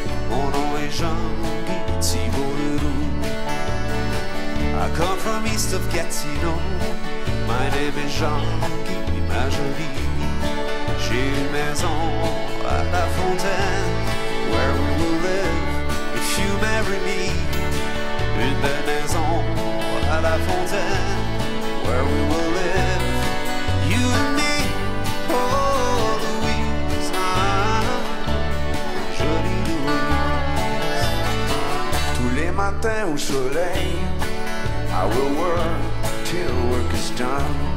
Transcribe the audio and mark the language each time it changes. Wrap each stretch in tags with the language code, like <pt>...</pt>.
<fr>Mon nom est Jean-Guy Thibault-Leroux.</fr> <en>I come from east of Gatineau. My name is Jean-Guy,</en> <fr>ma jolie. J'ai une maison à La Fontaine.</fr> <en>Where we will live if you marry me.</en> <fr>Une belle maison à La Fontaine.</fr> <en>Where we will live, you and me.</en> <fr>Oh, Louise, ah, jolie Louise. Tous les matins au soleil,</fr> <en>I will work till work is done.</en>